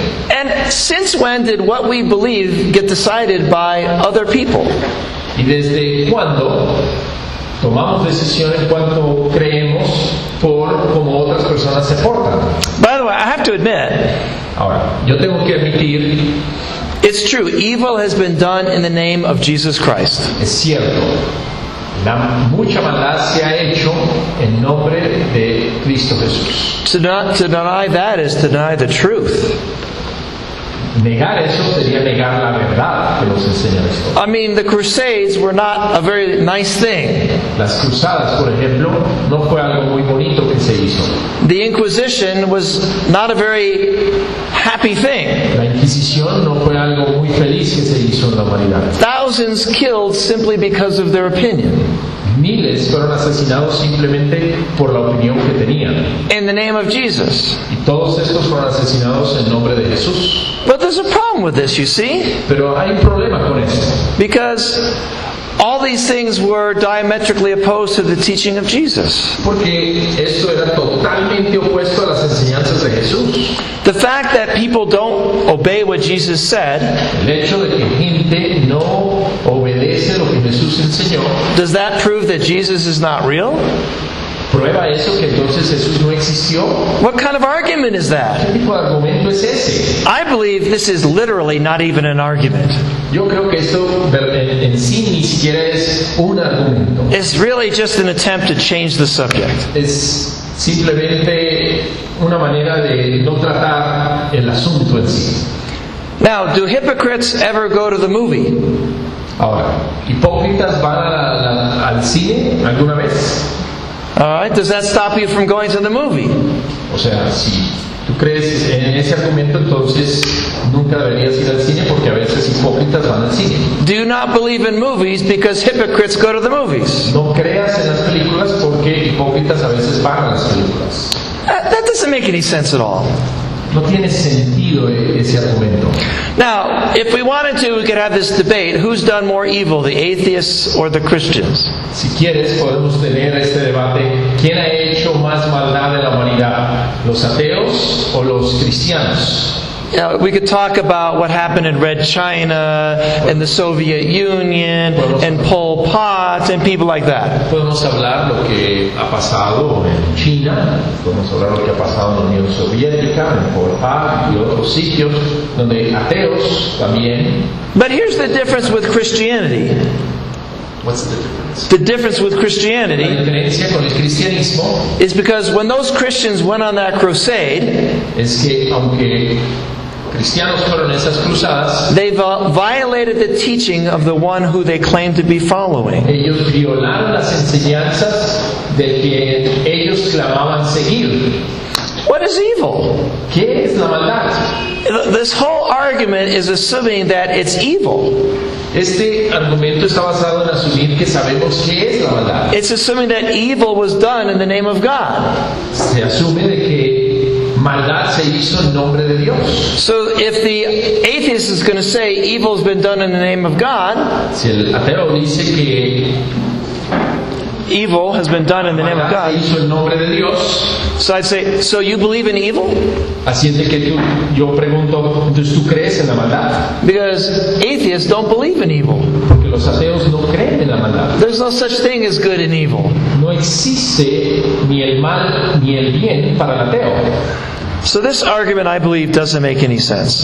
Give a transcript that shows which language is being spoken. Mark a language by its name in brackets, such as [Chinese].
[English] And since when did what we believe get decided by other people? [Spanish] ¿Y desde cuándo tomamos decisiones cuando creemos por cómo otras personas se portan? [English] By the way, I have to admit, [Spanish] ahora, yo tengo que admitir, [English] it's true, evil has been done in the name of Jesus Christ. [Spanish] Es cierto. Mucha maldad se ha hecho en nombre de Cristo Jesús. [English] To deny that is to deny the truth. [Spanish] Negar eso sería negar la verdad que nos enseña esto. [English] I mean, the Crusades were not a very nice thing. [Spanish] Las cruzadas, por ejemplo, no fue algo muy bonito que se hizo. [English] The Inquisition was not a very happy thing. [Spanish] La Inquisición no fue algo muy feliz que se hizo en la humanidad. [English] Thousands killed simply because of their opinion. [Spanish] Miles fueron asesinados simplemente por la opinión que tenían. [English] In the name of Jesus. [Spanish] Y todos estos fueron asesinados en nombre de Jesús. [English] But there's a problem with this, you see. [Spanish] Pero hay un problema con esto. [English] Because all these things were diametrically opposed to the teaching of Jesus. [Spanish] Porque esto era totalmente opuesto a las enseñanzas de Jesús. [English] The fact that people don't obey what Jesus said, [Spanish] el hecho de que gente no obedece lo que Jesús enseñó, [English] does that prove that Jesus is not real? [Spanish] ¿Prueba eso que entonces Jesús no existió? [English] What kind of argument is that? [Spanish] ¿Qué tipo de argumento es ese? [English] I believe this is literally not even an argument. [Spanish] Yo creo que esto en sí ni siquiera es un argumento. [English] It's really just an attempt to change the subject. [Spanish] Es simplemente una manera de no tratar el asunto en sí. [English] Now, do hypocrites ever go to the movie? [Spanish] Ahora, ¿hipócritas van al cine alguna vez? [English] All right, does that stop you from going to the movie? [Spanish] O sea, si tú crees en ese argumento, entonces nunca deberías ir al cine porque a veces hipócritas van al cine. [English] Do you not believe in movies because hypocrites go to the movies? [Spanish] No creas en las películas porque hipócritas a veces van a las películas. [English] That doesn't make any sense at all. [Spanish] No tiene sentido ese argumento. [English] Now, if we wanted to, we could have this debate, who's done more evil, the atheists or the Christians? [Spanish] Si quieres, podemos tener este debate, ¿quién ha hecho más maldad en la humanidad, los ateos o los cristianos? [English] Now, we could talk about what happened in Red China and the Soviet Union and Pol Pot and people like that. [Spanish] Podemos hablar lo que ha pasado en China, podemos hablar lo que ha pasado en la Unión Soviética, en Pol Pot y otros sitios donde ateos también. [English] But here's the difference with Christianity. What's the difference? The difference with Christianity, [Spanish] la diferencia con el cristianismo, [English] is because when those Christians went on that crusade, [Spanish] es que aunque cristianos fueron esas cruzadas, [English] they violated the teaching of the one who they claimed to be following. [Spanish] Ellos violaron las enseñanzas de quien ellos clamaban seguir. [English] What is evil? [Spanish] ¿Qué es la maldad? [English] This whole argument is assuming that it's evil. [Spanish] Este argumento está basado en asumir que sabemos qué es la maldad. [English] It's assuming that evil was done in the name of God. [Spanish] Se asume de que maldad se hizo en nombre de Dios. [English] So if the atheist is going to say evil has been done in the name of God, [Spanish] si el ateo dice que [English] evil has been done in the name of God, [Spanish] se hizo en nombre de Dios, [English] so I'd say, so you believe in evil? [Spanish] Así es de que tú, yo pregunto, entonces tú crees en la maldad? [English] Because atheists don't believe in evil. [Spanish] Porque los ateos no creen en la maldad. [English] There's no such thing as good and evil. [Spanish] No existe ni el mal ni el bien para el ateo. [English] So this argument, I believe, doesn't make any sense.